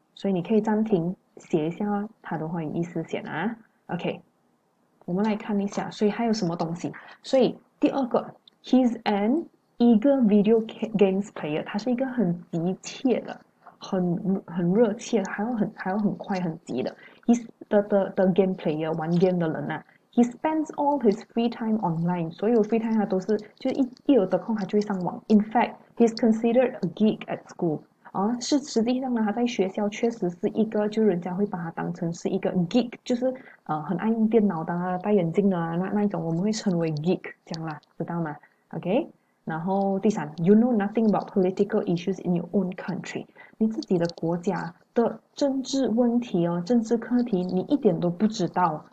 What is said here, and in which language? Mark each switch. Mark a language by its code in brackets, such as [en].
[zh] 所以你可以暂停写一下它的话语意思写啊，OK，我们来看一下，所以还有什么东西？所以第二个， [en] he's an eager video games player， [zh] 他是一个很急切的，很热切，还要很快很急的， [en] he's the game player [zh] 玩 game 的人呐、啊。 [en] He spends all his free time online， [zh] 所有 free time 他都是就一有得空他就会上网。 [en] In fact，he's considered a geek at school。 [zh] 是实际上呢，他在学校确实是一个，就人家会把他当成是一个 geek，就是很爱用电脑的、戴眼镜的、那一种，我们会称为 geek 这样啦，知道吗？OK，然后第三， [en] you know nothing about political issues in your own country， [zh] 你自己的国家的政治问题哦，政治课题你一点都不知道。